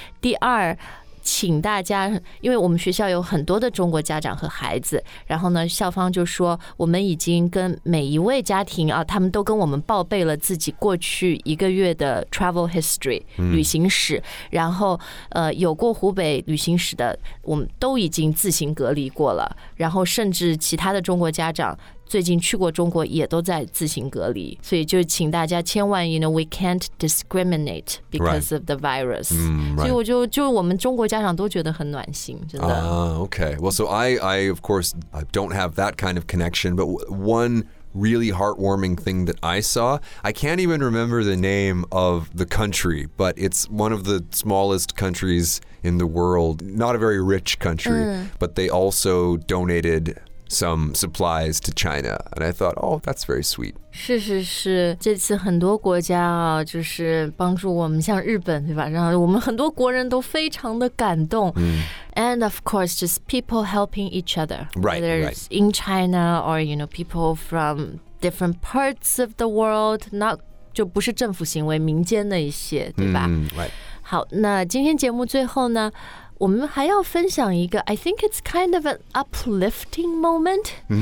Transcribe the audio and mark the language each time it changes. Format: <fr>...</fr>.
<zh>第二，请大家，因为我们学校有很多的中国家长和孩子，然后呢，校方就说我们已经跟每一位家庭啊，他们都跟我们报备了自己过去一个月的 travel history 旅行史，然后有过湖北旅行史的，我们都已经自行隔离过了，然后甚至其他的中国家长。最近去过中国也都在自行隔离，所以就请大家千万</zh> <en>you know, we can't discriminate because of the virus. Right.</en> <zh>所以我就我们中国家长都觉得很暖心，真的。</zh> <en>Okay. Well, so I of course, I don't have that kind of connection, but one really heartwarming thing that I saw, I can't even remember the name of the country, but it's one of the smallest countries in the world, not a very rich country, but they also donated... some supplies to China. And I thought, oh, that's very sweet.</en> <zh>是是是，这次很多国家啊，就是帮助我们，像日本，对吧？然后我们很多国人都非常的感动。</zh> <en>And of course, just people helping each other. Right, whether right. Whether it's in China or, you know, people from different parts of the world, not,</en> <zh>就不是政府行为，民间的一些，对吧？</zh> <en>Right.</en> <zh>好，那今天节目最后呢，我们还要分享一个</zh> <en>I think it's kind of an uplifting moment.</en>